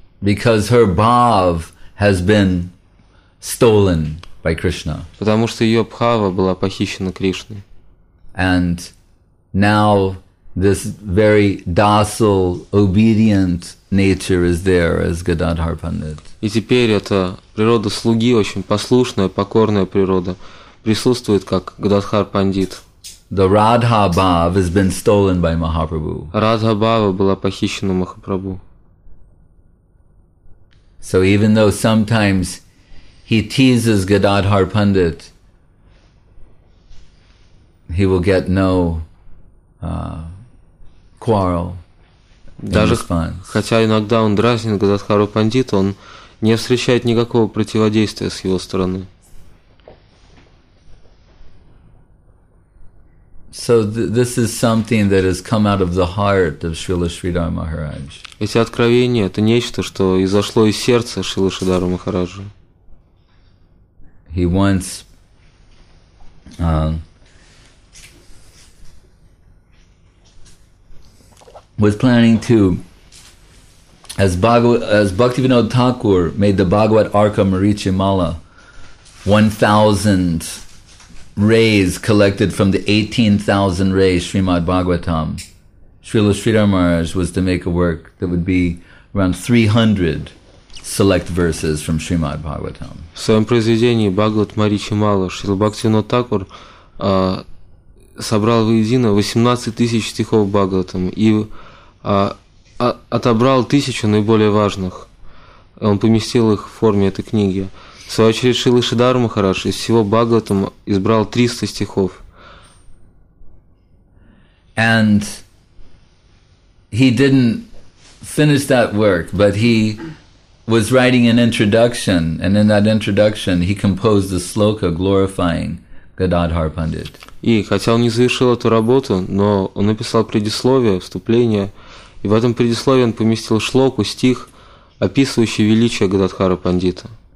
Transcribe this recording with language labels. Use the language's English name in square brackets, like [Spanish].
[English] Because her bhav has been stolen by Krishna. [Russian] Потому что ее бхава была похищена Кришной. [English] And now this very docile, obedient nature is there as Gadadhar Pandit. [Russian] И теперь эта природа слуги, очень послушная, покорная природа, присутствует как Гададхар Пандит. [English] The Radha Bhav has been stolen by Mahaprabhu. [Russian] Радха Бхава была похищена Махапрабху. [English] So even though sometimes he teases Gadadhar Pandit, he will get no quarrel. [Russian] Даже хотя иногда он дразнит Гададхару Пандита, он не встречает никакого противодействия с его стороны. [English] So this is something that has come out of the heart of Srila Sridhar Maharaj. [Russian] Эти откровения – это нечто, что изошло из сердца Шрилы Шридхара Махараджа. [English] He wants was planning to As Bhaktivinoda Thakur made the Bhagavad Arka Marichimala, 1,000 rays collected from the 18,000 rays Srimad Bhagavatam, Srila Sridhar Maharaj was to make a work that would be around 300 select verses from Srimad Bhagavatam. [Russian] В своем произведении Бхагавад Маричимала Шрила Бхактивинода Такур собрал воедино 18,000 стихов Бхагаватам и отобрал 1,000 наиболее важных. Он поместил их в форме этой книги. В свою очередь Шрила Шридхар Махарадж из всего Бхагаватам избрал 300 стихов. [English] And he didn't finish that work, but he was writing an introduction, and in that introduction he composed a sloka glorifying Gadadhar Pandit. [Russian] И хотя он не завершил эту работу, но он написал предисловие, вступление, и в этом предисловии он поместил шлоку, стих, описывающий величие Гададхара Пандита.